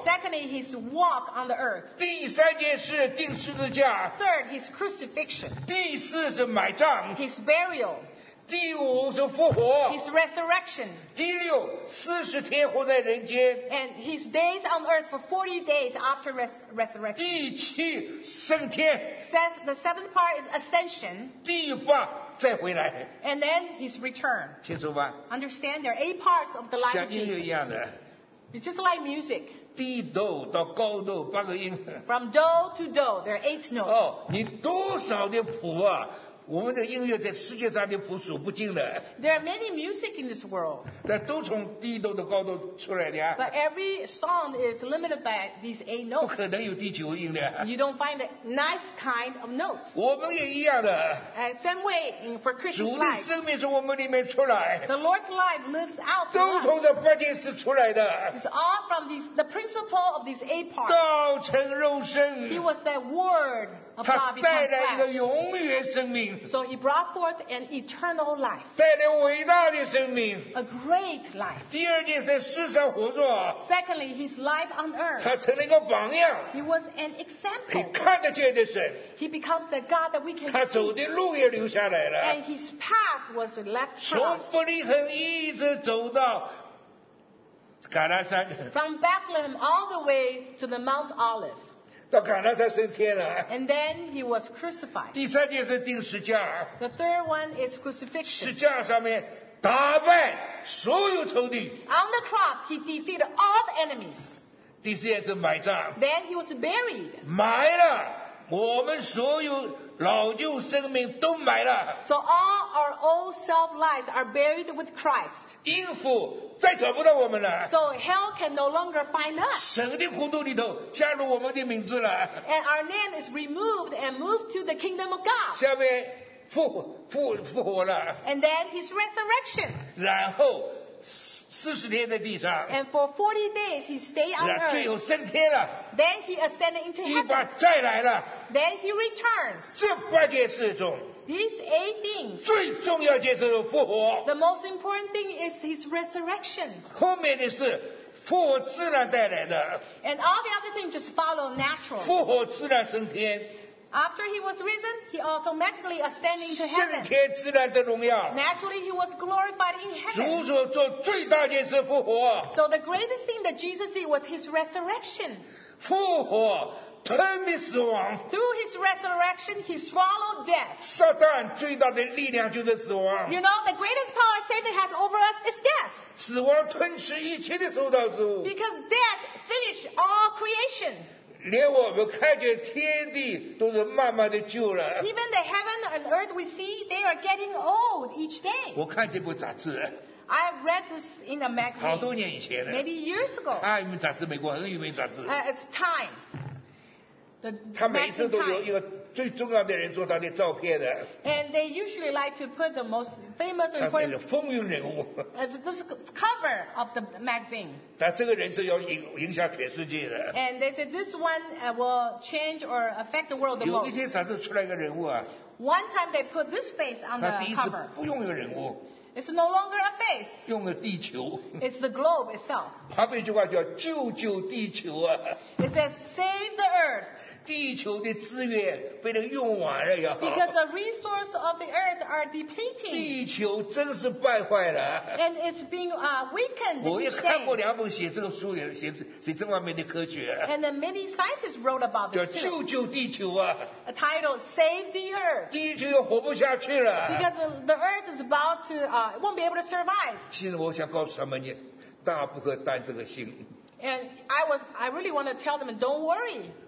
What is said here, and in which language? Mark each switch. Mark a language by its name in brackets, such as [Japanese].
[English] Secondly, his walk on the earth. [Chinese] 第三件事钉十字架。 [English] Third, his crucifixion. [Chinese] 第四是埋葬。 [English] His burial. [Chinese] 第五是复活。 [English] His resurrection. [Chinese] 第六，四十天活在人间。 [English] And his days on earth for 40 days after resurrection. [Chinese] 第七，升天。 [English] The seventh part is ascension. [Chinese] 第八，再回来。 [English] And then his return. [Chinese] 清楚吧？ [English] Understand, there are eight parts of the life of Jesus. [Chinese] 像音乐一样的。 [English] It's just like music. [Chinese] 低哆到高哆，八个音。 [English] From do to do, there are eight notes. [Chinese] 哦，你多少的谱啊？我们的音乐在世界上的谱数不尽的。 [English] There are many music in this world. [Chinese] 但都从低哆到高哆出来的啊。 [English] But every song is limited by these eight notes. [Chinese] 不可能有第九音的。 [English] You don't find the ninth kind of notes. [Chinese] 我们也一样的。 [English] And same way for Christian life. [Chinese] 主的生命从我们里面出来。 [English] The Lord's life lives out. [Chinese] 都从这八件事出来的。 [English] It's all from these, the principle of these eight parts. [Chinese] 道成肉身。 [English] He was that word. [Chinese] 他带来一个永远生命 [English] so he brought forth an eternal life [Chinese] 带来伟大的生命 [English] a great life [Chinese] 第二件在世上活着 [English] secondly his life on earth [Chinese] 他成了一个榜样 [English] he was an example [Chinese] 你看得见的神 [English] he becomes a God that we can see [Chinese] 他走的路也留下来了 [English] and his path was left for us [Chinese] 从伯利恒一直走到橄榄山 [English] from Bethlehem all the way to the Mount Olive [Chinese] 到橄榄山升天了。 [English] And then he was crucified. [Chinese] 第三件是钉十字架。 [English] The third one is crucifixion. [Chinese] 十字架上面打败所有仇敌。 [English] On the cross, he defeated all the enemies. [Chinese] 第四件是埋葬。 [English] Then he was buried. [Chinese] 埋了，我们所有老旧生命都埋了。 [English] So all our old self lives are buried with Christ. [Chinese] 阴府再找不到我们了。 [English] So hell can no longer find us. [Chinese] 神的国度里头加入我们的名字了。 [English] And our name is removed and moved to the kingdom of God. [Chinese] 下面复活了。 [English] And then his resurrection. [Chinese] 然后四十天在地上。 [English] And for 40 days he stayed on earth. [Chinese] 最后升天了。 [English] Then he ascended into heaven. [Chinese] 一把再来了。 [English] Then he returns. [Chinese] 这八件事中 [English] These eight things. [Chinese] 最重要件事是复活 [English] The most important thing is his resurrection. [Chinese] 后面的是复活自然带来的 [English] And all the other things just follow naturally. [Chinese] 复活自然升天 [English] After he was risen, he automatically ascended into heaven. [Chinese] 升天自然的荣耀 [English] Naturally, he was glorified in heaven. [Chinese] 主所做最大件事复活 [English] So the greatest thing that Jesus did was his resurrection. [Chinese] 复活吞灭死亡。 [English] Through his resurrection, he swallowed death. [Chinese] 撒旦最大的力量就是死亡。 [English] You know, the greatest power Satan has over us is death. [Chinese] 死亡吞噬一切的受造之物。 [English] Because death finished all creation. [Chinese] 连我们看见天地都是慢慢的旧了。 [English] Even the heaven and earth we see, they are getting old each day. [Chinese] 我看这部杂志。 [English] I read this in a magazine. [Chinese] 好多年以前的。 [English] Maybe years ago. [Chinese] 有名杂志，美国很有名杂志。 [English] It's Time. [Chinese] 他每次都有一个最重要的人做他的照片的。 [English] And they usually like to put the most famous and important. [Chinese] 他是风云人物。 [English] As this cover of the magazine. [Chinese] 但这个人是要影响全世界的。 [English] And they said this one will change or affect the world the most. [Chinese] 有一天杂志出来一个人物啊。 [English] One time they put this face on the cover. [Chinese] 他第一次不用一个人物。 [English] It's no longer a face. [Chinese] 用了地球。 [English] It's the globe itself. [Chinese] 旁边一句话叫救救地球啊。 [English] It says save the earth. [Chinese] 地球的资源被人用完了呀 [English] Because the resources of the earth are depleting. [Chinese] 地球真是败坏了。 [English] And it's being weakened. [Chinese] 我也看过两本写这个书，写这方面的科学。 [English] And then many scientists wrote about this. [Chinese] 叫救救地球啊。 [English] A title, Save the Earth. [Chinese] 地球又活不下去了。 [English] Because the earth is about to, won't be able to survive. [Chinese] 其实我想告诉他们，你大不可担这个心。 [English] And I really want to tell them, don't worry.